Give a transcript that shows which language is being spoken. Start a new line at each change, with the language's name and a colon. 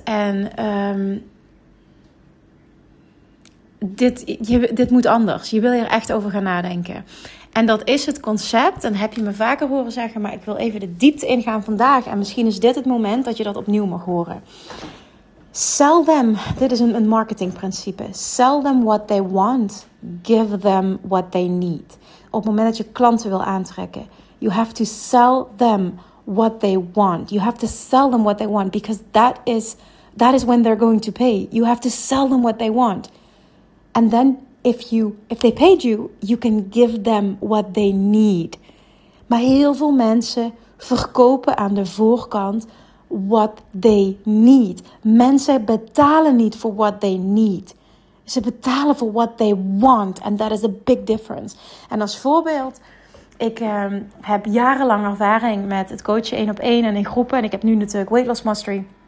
Dutch: En dit moet anders. Je wil hier echt over gaan nadenken. En dat is het concept, en heb je me vaker horen zeggen, maar ik wil even de diepte ingaan vandaag. En misschien is dit het moment dat je dat opnieuw mag horen.
English: Sell them,
Dutch: dit is een marketingprincipe.
English: Sell them what they want, give them what they need.
Dutch: Op het moment dat je klanten wil aantrekken,
English: you have to sell them what they want. You have to sell them what they want, because that is when they're going to pay. You have to sell them what they want. And then If they paid you, you can give them what they need.
Dutch: Maar heel veel mensen verkopen aan de voorkant
English: what they need.
Dutch: Mensen betalen niet voor
English: what they need.
Dutch: Ze betalen voor
English: what they want. And that is a big difference.
Dutch: En als voorbeeld, ik heb jarenlang ervaring met het coachen 1-op-1 en in groepen. En ik heb nu natuurlijk Weight Loss Mastery.